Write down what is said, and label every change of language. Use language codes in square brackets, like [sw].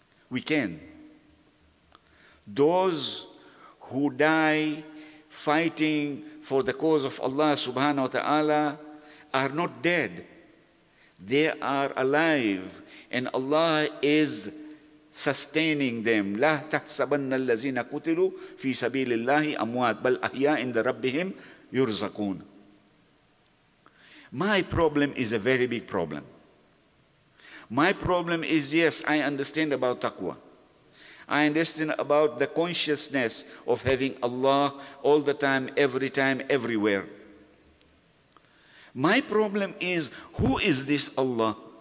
[en] We can. Those who die fighting for the cause of Allah subhanahu wa ta'ala are not dead. They are alive and Allah is sustaining them. [ar] لا تحسبن الذين قتلوا في سبيل الله أموات بل أحياء عند ربهم يرزقون. [en] My problem is a very big problem. My problem is, yes, I understand about taqwa. I understand about the consciousness of having Allah all the time, every time, everywhere. My problem is, who is this Allah?